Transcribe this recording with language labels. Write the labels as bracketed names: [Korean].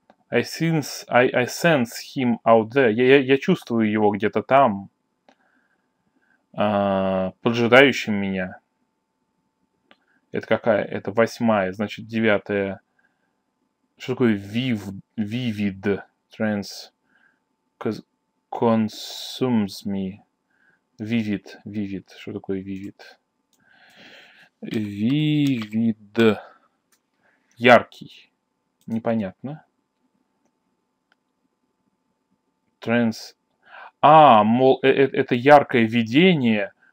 [English] I sense him out there. [Russian] Я чувствую его где-то там, поджидающим меня. Это какая? Это восьмая, значит, девятая. Что такое [English] vivid trans consumes me? Vivid. [Russian] Что такое vivid? Vivid. Яркий. Непонятно. Trans. А, мол, это яркое видение.